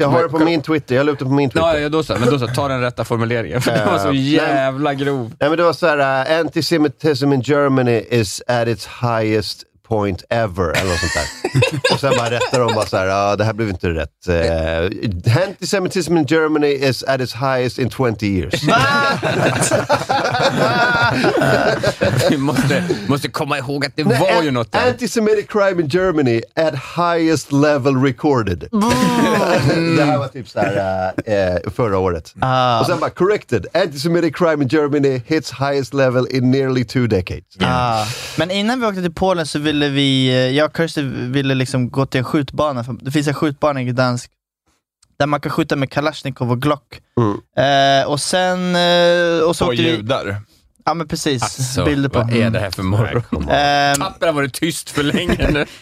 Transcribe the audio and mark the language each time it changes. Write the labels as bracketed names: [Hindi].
[Swedish] Jag har det på min Twitter. Jag lutar på min Twitter. Ja, då så ta den rätta formuleringen, för det var så jävla grov. Nej, men det var så här, [English] antisemitism in Germany is at its highest point ever [Swedish] eller något sånt där. Och sen bara rättar de bara så här, det här blev inte rätt. [English] Antisemitism in Germany is at its highest in 20 years. [Swedish] Vi måste komma ihåg att det var ju något. [English] Antisemitic crime in Germany at highest level recorded. [Swedish] Det här var typ så här förra året. Och sen bara corrected. [English] Antisemitic crime in Germany hits highest level in nearly 2 decades. [Swedish] Men innan vi åkte till Polen så ville jag och Kirsten ville liksom gå till en skjutbana. Det finns en skjutbana i Gdansk där man kan skjuta med Kalashnikov och Glock. Och sen judar. Ja, men precis. Alltså, bilder på. Vad är det här för morgon? Tappen har varit tyst för länge nu.